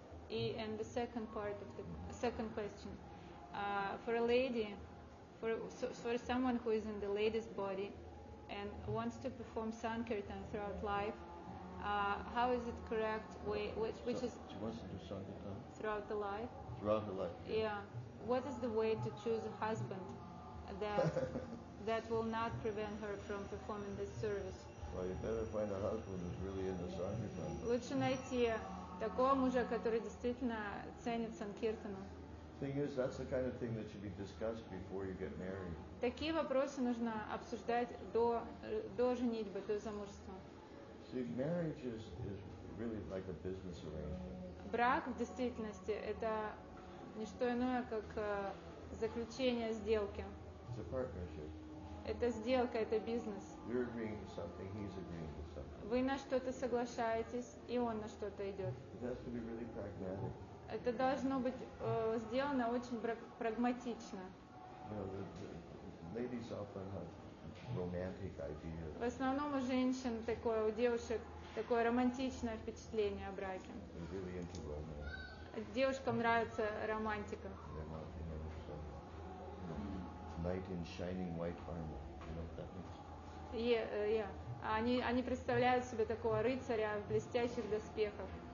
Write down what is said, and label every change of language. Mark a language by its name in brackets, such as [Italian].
[English] И and the second part of the second question, for a lady, for someone who is in the lady's body and wants to perform sankirtan throughout life, how is it correct way, which is she wants to do sankirtan throughout the life? Throughout the life. Yeah. Yeah. What is the way to choose a husband that that will not prevent her from performing this service? Well, you better find a husband who's really into sankirtan. [Russian] Лучше найти такого мужа, который действительно ценит санкиртану. [English] Thing is, that's the kind of thing that should be discussed before you get married. [Russian] Такие вопросы нужно обсуждать до женитьбы, до замужества. [English] See, marriage is really like a business arrangement. [Russian] Брак в действительности это не что иное, как заключение сделки. [English] It's a partnership. [Russian] Это сделка, это бизнес. [English] You're agreeing to something, he's agreeing to something. [Russian] Вы на что-то соглашаетесь, и он на что-то идет. [English] It has to be really pragmatic. [Russian] Это должно быть сделано очень прагматично. [English] You know, ladies often have romantic ideas. [Russian] В основном у женщин такое, у девушек такое романтичное впечатление о браке. [English] They're really into romance. [Russian] Девушкам нравится романтика. [English] They're not, you know, so, you know, night in shining white armor. You know what that means? Yeah. [Russian] Они представляют себе такого рыцаря в блестящих доспехах.